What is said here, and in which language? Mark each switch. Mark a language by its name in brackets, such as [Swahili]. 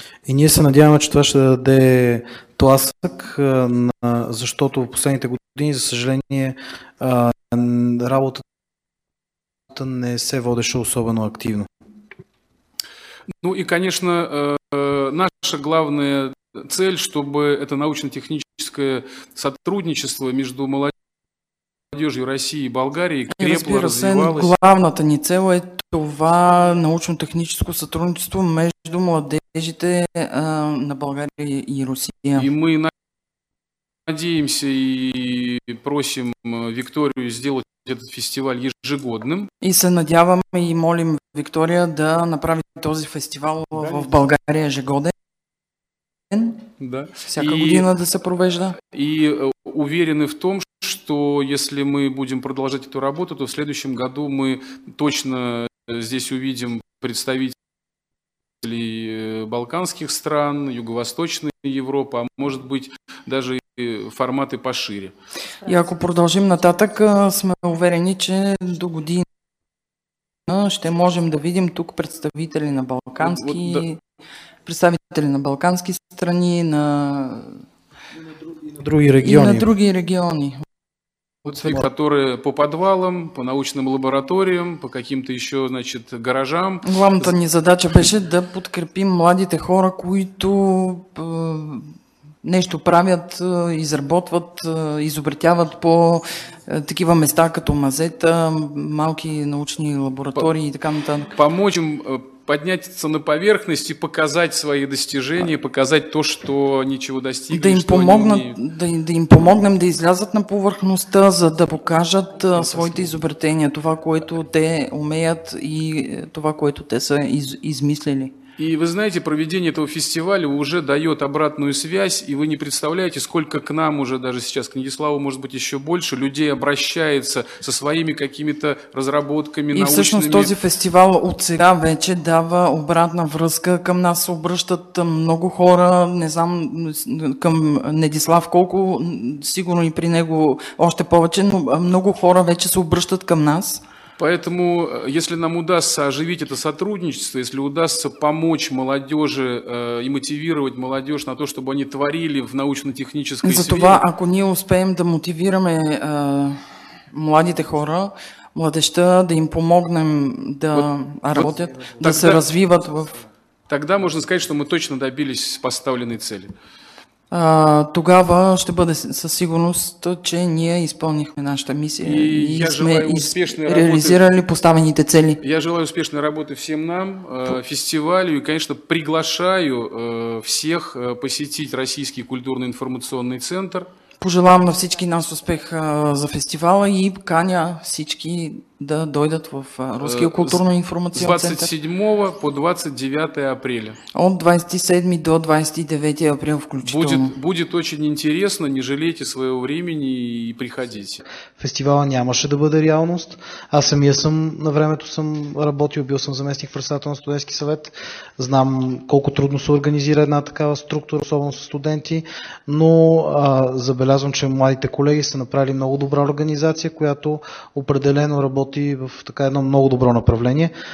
[Bulgarian] И ние се надяваме, че това ще даде тласък, защото в последните години, за съжаление, работата не се водеше особено активно. [Russian] Ну и, конечно, наша главная цель, чтобы это научно-техническое сотрудничество между молодежью России и Болгарии крепко развивалось. [Bulgarian] Главната ни цел е това научно-техническо сътрудничество между младежи надеждите на България и Русия. [Russian] И мы надеемся и просим Викторию сделать этот фестиваль ежегодным. [Bulgarian] И се надяваме и молим Виктория да направи този фестивал в България ежегоден. Да. Всяка година да се провежда. [Russian] И уверены в том, что если мы будем продолжать эту работу, то в следующем году мы точно здесь увидим представителей балканских стран, Юго-Восточной Европы, а может быть даже форматы пошире. [Bulgarian] И ако продолжим нататък, сме уверени, че до година ще можем да видим тук представители на балкански, представители на балкански страни, на други региони. И на други региони. [Russian] Которые по подвалам, по научным лабораториям, по каким-то еще, значит, гаражам. [Bulgarian] Главната ни задача беше да подкрепим младите хора, които нещо правят, изработват, изобретяват по такива места, като мазета, малки научни лаборатории и така нататък. [Russian] Помочь им подняться на поверхность и показать свои достижения, показать то, что ничего достигли, [Bulgarian] да им [Russian] что помогнат, они... [Bulgarian] Да им помогнем да излязат на повърхността, за да покажат своите изобретения, това, което те умеят и това, което те са измислили. [Russian] И вы знаете, проведение этого фестиваля уже дает обратную связь, и вы не представляете, сколько к нам уже даже сейчас, к Надиславу, может быть, еще больше людей обращается со своими какими-то разработками, научными. [Bulgarian] И, всъщност, този фестивал от сега вече дава обратна връзка. Към нас се обръщат много хора, не знам към Надислав колко, сигурно и при него още повече, но много хора вече се обръщат към нас. [Russian] Поэтому, если нам удастся оживить это сотрудничество, если удастся помочь молодежи и мотивировать молодежь на то, чтобы они творили в научно-технической сфере... [Bulgarian] Затова, ако ние успеем да мотивираме младите хора, младежта, да им помогнем да работят, да тогда, се развиват в... [Russian] Тогда можно сказать, что мы точно добились поставленной цели. [Bulgarian] Тогава ще бъде със сигурност, че ние изпълнихме нашата мисия и сме реализирали поставените цели. [Russian] Я желаю успешной работы всем нам, фестивалю, и, конечно, приглашаю всех посетить Российский культурно-информационный центр. [Bulgarian] Пожелавам на всички нас успех за фестивала и каня всички да дойдат в Руския културно-информационен център. [Russian] С 27 по 29 апреля. [Bulgarian] От 27 до 29 апреля включително. [Russian] Будет очень интересно, не жалейте своего времени и приходите. [Bulgarian] Фестивала нямаше да бъде реалност. Аз самия съм, на времето съм работил, бил съм заместник-председател на студентски съвет. Знам колко трудно се организира една такава структура, особено с студенти, но забелязвам, че младите колеги са направили много добра организация, която определено работи в така едно много добро направление.